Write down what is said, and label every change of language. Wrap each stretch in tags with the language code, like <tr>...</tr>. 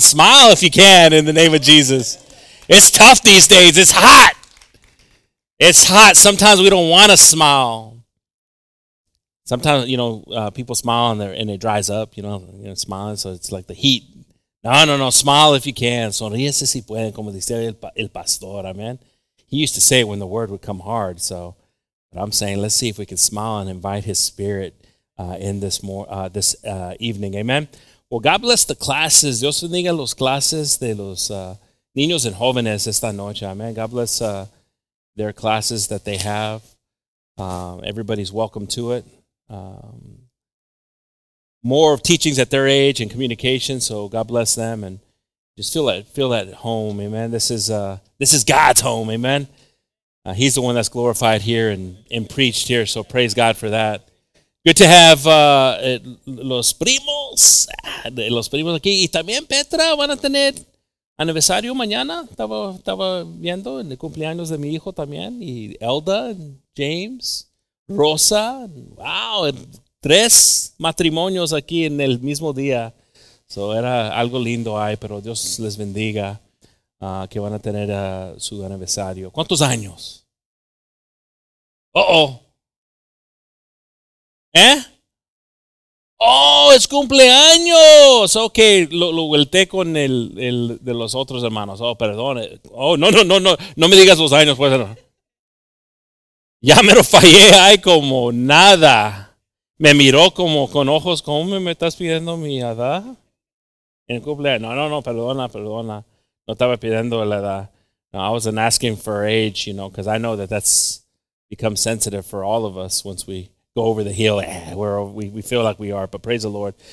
<en>Smile if you can in the name of Jesus. It's tough these days. It's hot. It's hot. Sometimes we don't want to smile. Sometimes, you know, people smile and it dries up, you know, smiling, so it's like the heat. No, smile if you can.</en> <es>Sonríese si pueden, como dice el pastor, amen.</es> <en>He used to say it when the word would come hard, so. But I'm saying, let's see if we can smile and invite his spirit in this this evening, amen. Well, God bless the classes.</en> <es>Dios bendiga los clases de los niños y jóvenes esta noche, amen.</es> <en>God bless their classes that they have. Everybody's welcome to it. More of teachings at their age and communication, so God bless them and just feel that at home, amen. This is God's home, amen. He's the one that's glorified here and preached here, so praise God for that. Good to have</en> <es>los primos aquí, y también Petra van a tener aniversario mañana. Estaba viendo en el cumpleaños de mi hijo también, y Elda, James, Rosa, wow, tres matrimonios aquí en el mismo día. So era algo lindo ahí, pero Dios les bendiga que van a tener su aniversario. ¿Cuántos años? Uh-oh. ¿Eh? Oh, es cumpleaños. Ok, lo vuelté con el de los otros hermanos. Oh, perdón. Oh, no me digas los años, pues. Ya me lo fallé, ay, como nada. Me miró como con ojos, ¿cómo me estás pidiendo mi edad? En cumpleaños, no, perdona. No estaba pidiendo la edad.</es> <en>No, I wasn't asking for age, you know, because I know that that's become sensitive for all of us once we go over the hill. We feel like we are, but praise the Lord.</en>